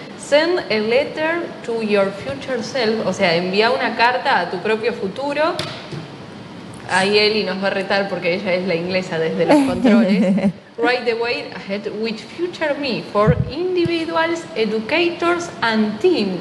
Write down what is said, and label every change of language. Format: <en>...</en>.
<en>Send a letter to your future self.</en> <es>O sea, envía una carta a tu propio futuro. Ahí Eli nos va a retar porque ella es la inglesa desde los controles.</es> <en>Right the way ahead with Future Me for individuals, educators and team.</en>